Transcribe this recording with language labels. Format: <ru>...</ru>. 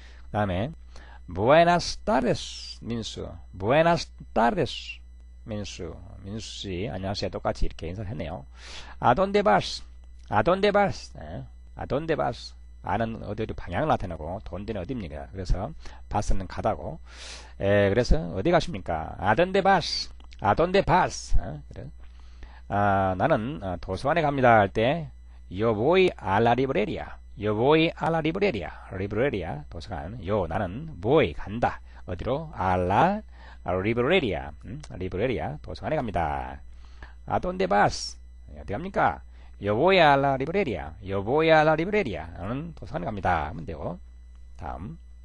<ko>다음에</ko> <es>Buenas tardes, 민수. Buenas tardes, 민수.</es> <ko>민수 씨, 안녕하세요. 똑같이 이렇게 인사했네요.</ko> <es>Adonde vas? Adonde vas?</es> <ko>네.</ko> <es>Adonde vas?</es> <ko>아는 어디 방향을 나타내고, 돈데는 어디입니까? 그래서 vas는 가다고. 그래서 어디 가십니까?</ko> <es>Adonde vas? Adonde vas?</es> <ko>네. 그래. 나는 도서관에 갑니다. 할 때,</ko> <es>Yo voy a la librería. Yo voy a la librería.</es> <ko>Librería, 도서관.</ko> <es>Yo,</es> <ko>나는</ko> <es>voy,</es> <ko>간다. 어디로?</ko> <es>A la librería.</es> <ko>Librería, 도서관에 갑니다.</ko> <es>A dónde vas?</es> <ko>어디 갑니까?</ko> <es>Yo voy a la librería. Yo voy a la librería.</es> <ko>나는 도서관에 갑니다. 하면 되고. 다음.</ko>